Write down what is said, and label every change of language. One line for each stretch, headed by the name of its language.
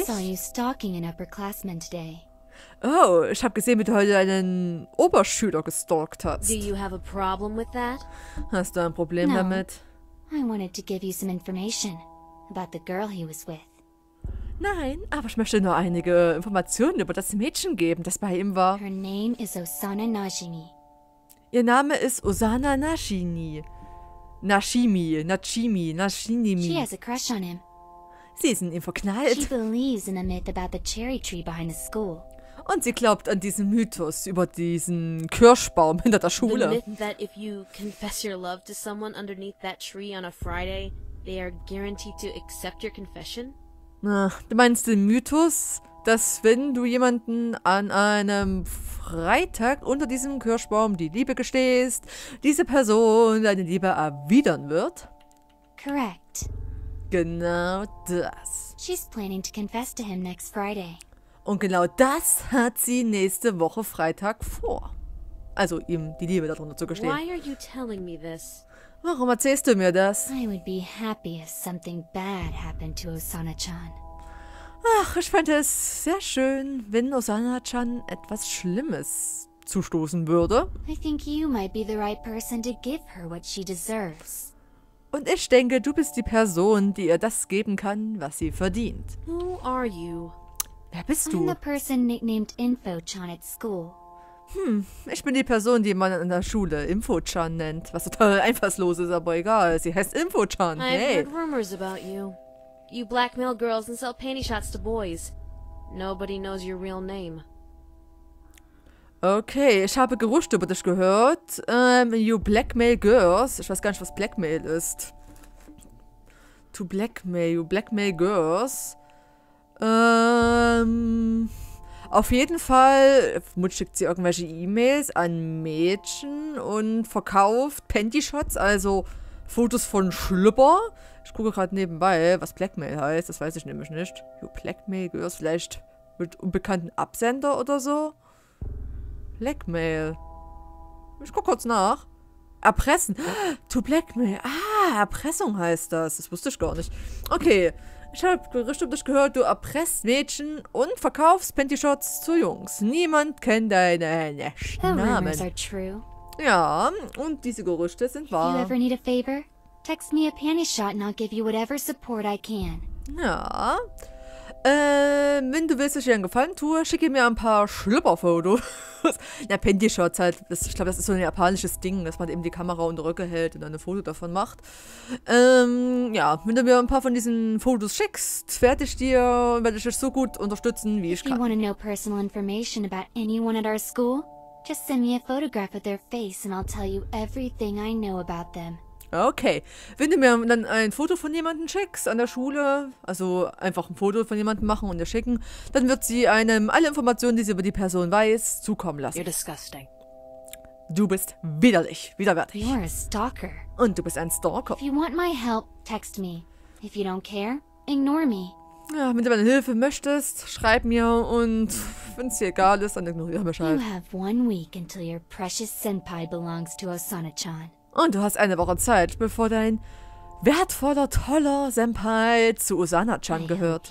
English: I saw you stalking an upperclassman today.
German: Oh, ich habe gesehen, wie du heute einen Oberschüler gestalkt hast.
English: Do you have a problem with that?
German: Hast du ein Problem damit?
English: I wanted to give you some information about the girl he was with.
German: Nein, aber ich möchte nur einige Informationen über das Mädchen geben, das bei ihm war.
English: Her name is Osana Najimi.
German: Ihr Name ist Osana Najimi.
English: Najimi. She has a crush on him.
German: Sie ist in ihm verknallt.
English: She believes in the myth about the cherry tree behind the school.
German: Und sie glaubt an diesen Mythos über diesen Kirschbaum hinter der Schule.
English: The myth that if you confess your love to someone underneath that tree on a Friday, they are guaranteed to accept your confession?
German: Du meinst den Mythos, dass wenn du jemanden an einem Freitag unter diesem Kirschbaum die Liebe gestehst, diese Person deine Liebe erwidern wird?
English: Correct.
German: Genau das.
English: She's planning to confess to him next Friday.
German: Und genau das hat sie nächste Woche Freitag vor. Also ihm die Liebe darunter zu gestehen.
English: Why are you telling me this?
German: Warum erzählst du mir das?
English: I would be happy if something bad happened to Osana-chan.
German: Ach, ich fände es sehr schön, wenn Osana-chan etwas Schlimmes zustoßen würde.
English: I think you might be the right person to give her what she deserves.
German: Und ich denke, du bist die Person, die ihr das geben kann, was sie verdient.
English: Who are you?
German: Wer bist du?
English: I'm the person nicknamed Info-chan at school.
German: Ich bin die Person, die man in der Schule Info-chan nennt. Was total einfallslos ist, aber egal. Sie heißt Info-chan.
English: Hey. I've heard rumors about you. You blackmail girls and sell panty shots to boys. Nobody knows your real name.
German: Okay, ich habe Gerüchte über dich gehört.
English: You blackmail girls.
German: Ich weiß gar nicht, was Blackmail ist.
English: To blackmail. You blackmail girls.
German: Auf jeden Fall schickt sie irgendwelche E-Mails an Mädchen und verkauft Panty-Shots, also Fotos von Schlüpper. Ich gucke gerade nebenbei, was Blackmail heißt, das weiß ich nämlich nicht. Jo, Blackmail gehört vielleicht mit unbekannten Absender oder so? Blackmail. Ich guck kurz nach. Erpressen. Ja.
English: To Blackmail.
German: Ah, Erpressung heißt das. Das wusste ich gar nicht. Okay. Ich habe Gerüchte um dich gehört, du erpresst Mädchen und verkaufst Panty-Shots zu Jungs. Niemand kennt deine echten Namen.
English: Rumors are true.
German: Ja, und diese Gerüchte sind wahr.
English: If you ever need a favor, text me a panty shot and I'll give you whatever support I can.
German: Ja. Wenn du willst, dass ich dir einen Gefallen tue, schicke mir ein paar Schlüpperfotos. Ja, Panty-Shots halt. Ich glaube, das ist so ein japanisches Ding, dass man eben die Kamera unter Röcke hält und dann ein Foto davon macht. Wenn du mir ein paar von diesen Fotos schickst, werde ich dich so gut unterstützen, wie ich kann.
English: If you want to know personal information about anyone at our school, just send me a photograph of their face and I'll tell you everything I know about them.
German: Okay, wenn du mir dann ein Foto von jemandem schickst an der Schule, also einfach ein Foto von jemandem machen und ihr schicken, dann wird sie einem alle Informationen, die sie über die Person weiß, zukommen lassen.
English: You're disgusting.
German: Du bist widerlich, widerwärtig.
English: You're a stalker.
German: Und du bist ein Stalker.
English: If you want my help, text me. If you don't care, ignore me.
German: Ja, wenn du meine Hilfe möchtest, schreib mir und wenn es dir egal ist, dann ignoriere Bescheid.
English: You have 1 week until your precious senpai belongs to Osana-chan.
German: Und du hast eine Woche Zeit, bevor dein wertvoller, toller Senpai zu Osana-chan gehört.